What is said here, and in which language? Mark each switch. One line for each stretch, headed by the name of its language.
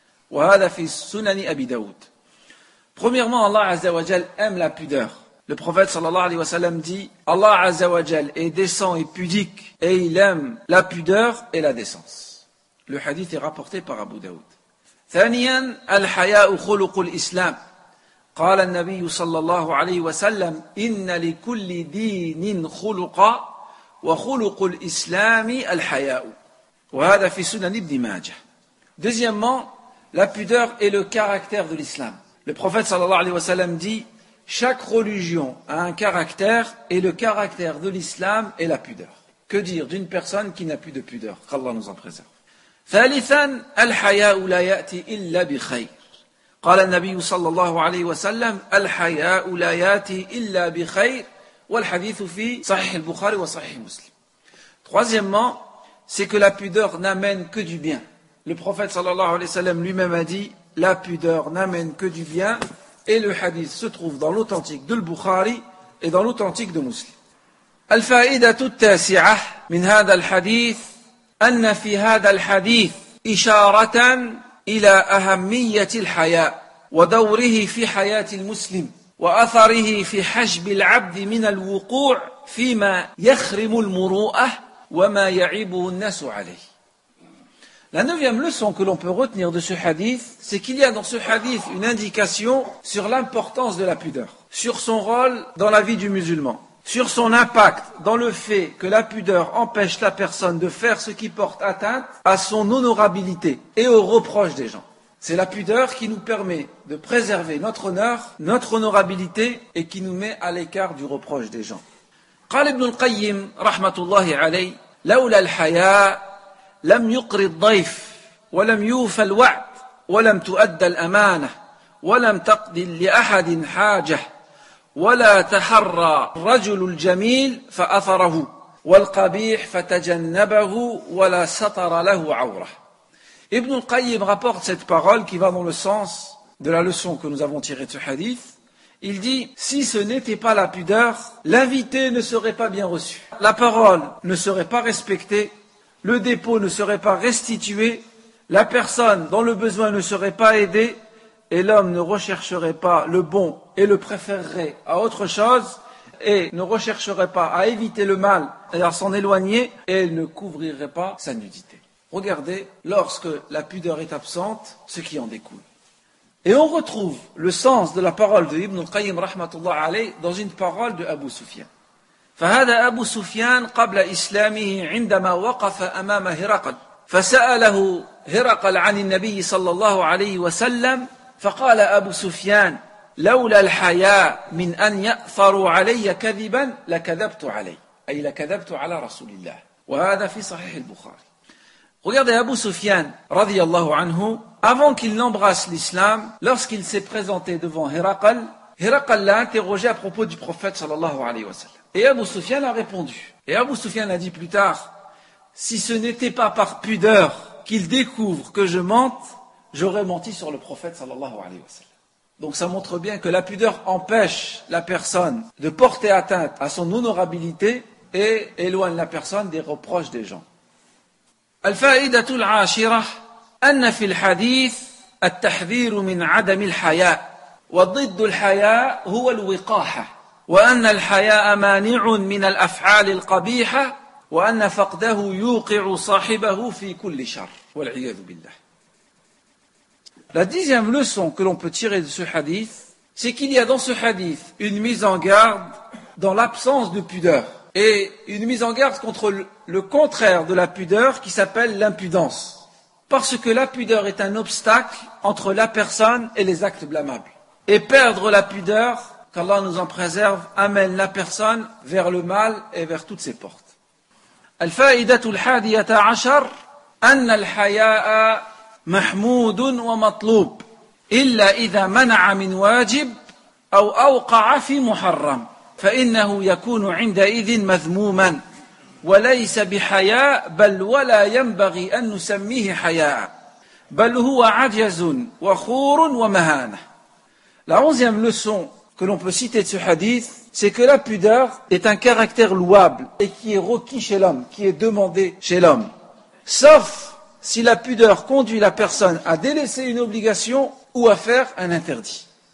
Arabic: وَهَذَا فِي سُنَنِ أَبِي دَاوُودَ.
French: Premièrement, Allah Azza wa Jal aime la pudeur. Le prophète sallallahu alayhi wa sallam dit « Allah Azza wa Jal est décent et pudique et il aime la pudeur et la décence. » Le hadith est rapporté par Abu Daoud.
Arabic: Thaniyan, al-haya u khuluq al-islam. قال النبي صلى الله عليه وسلم إن لكل دين خلق وخلق الإسلام الحياء وهذا في سنن ابن ماجه.
French: Deuxièmement, la pudeur est le caractère de l'islam. Le prophète صلى الله عليه وسلم dit chaque religion a un caractère et le caractère de l'islam est la pudeur. Que dire d'une personne qui n'a plus de pudeur? Qu'Allah nous en préserve.
Arabic: ثالثا الحياء لا يأتي إلا بخير. قال النبي صلى الله عليه وسلم الحياء لا ياتي الا بخير والحديث في صحيح البخاري وصحيح مسلم.
French: Troisièmement, c'est que la pudeur n'amène que du bien. Le prophète صلى الله عليه وسلم lui-même a dit la pudeur n'amène que du bien et le hadith se trouve dans l'authentique de البخاري et dans l'authentique de مسلم.
Arabic: الفائده التاسعه من هذا الحديث ان في هذا الحديث اشاره إلى أهمية الحياء ودوره في حياة المسلم وأثره في حجب العبد من الوقوع فيما يخرم المروءة وما يعيبه الناس عليه.
French: La neuvième leçon que l'on peut retenir de ce hadith, c'est qu'il y a dans ce hadith une indication sur l'importance de la pudeur, sur son rôle dans la vie du musulman, sur son impact dans le fait que la pudeur empêche la personne de faire ce qui porte atteinte à son honorabilité et au reproche des gens. C'est la pudeur qui nous permet de préserver notre honneur, notre honorabilité et qui nous met à l'écart du reproche des gens.
Arabic: قال ابن القيم رحمة الله عليه لولا الحياء لم يقر الضيف ولم يوفى الوعد ولم تؤدى الأمانة ولم تقضي لأحد حاجة ولا تحرى الرجل الجميل فأثره والقبيح فتجنبه ولا ستر له عورة.
French: Ibn al-Qayyim rapporte cette parole qui va dans le sens de la leçon que nous avons tirée de ce hadith. Il dit, si ce n'était pas la pudeur, l'invité ne serait pas bien reçu. La parole ne serait pas respectée, le dépôt ne serait pas restitué, la personne dans le besoin ne serait pas aidée, et l'homme ne rechercherait pas le bon et le préférerait à autre chose et ne rechercherait pas à éviter le mal et à s'en éloigner et ne couvrirait pas sa nudité. Regardez, lorsque la pudeur est absente, ce qui en découle. Et on retrouve le sens de la parole de Ibn al-Qayyim rahmatullah alayh dans une parole de Abu Sufyan.
Arabic: فَهَذَا أَبُو سُفْيَانَ قَبْلَ إِسْلَامِهِ عِنْدَمَا وَقَفَ أَمَامَ هِرَقَلْ فَسَأَلَهُ هِرَقَلْ عَنِ النَّبِيِّ صَلَّى اللَّهُ عَلَيْهِ وَسَلَّمَ فقال أبو سفيان لولا الحياء من أن يأثروا علي كذبا لكذبت علي أي لكذبت على رسول الله وهذا في صحيح البخاري.
French: Regardez Abu Sufyan رضي الله عنه avant qu'il n'embrasse l'islam, lorsqu'il s'est présenté devant Hiraqal, Hiraqal l'a interrogé à propos du prophète sallallahu alayhi wa sallam. Et Abu Sufyan a répondu. Et Abu Sufyan a dit plus tard, si ce n'était pas par pudeur qu'il découvre que je mente, j'aurais menti sur le prophète sallallahu alayhi wa sallam. Donc ça montre bien que la pudeur empêche la personne de porter atteinte à son honorabilité et éloigne la personne des reproches des gens.
Arabic: الفائدة العاشرة أن في الحديث التحذير من عدم الحياء وضد الحياء هو الوقاحة وأن الحياء مانع من الأفعال القبيحة وأن فقده يوقع صاحبه في كل شر والعياذ بالله.
French: La dixième leçon que l'on peut tirer de ce hadith, c'est qu'il y a dans ce hadith une mise en garde dans l'absence de pudeur et une mise en garde contre le contraire de la pudeur qui s'appelle l'impudence. Parce que la pudeur est un obstacle entre la personne et les actes blâmables. Et perdre la pudeur, qu'Allah nous en préserve, amène la personne vers le mal et vers toutes ses portes.
Arabic: Al-fa'idatul hadiyata ashar, anna al-haya'a محمود ومطلوب إلا إذا منع من واجب أو أوقع في محرم فإنه يكون عندئذ مذموما وليس بحياء بل ولا ينبغي أن نسميه حياء بل هو عجز وخور ومهانة.
French: La onzième leçon que l'on peut citer de ce hadith, c'est que la pudeur est un caractère louable et qui est requis chez l'homme, qui est demandé chez l'homme. Sauf si la pudeur conduit la personne à délaisser une obligation ou à faire un interdit.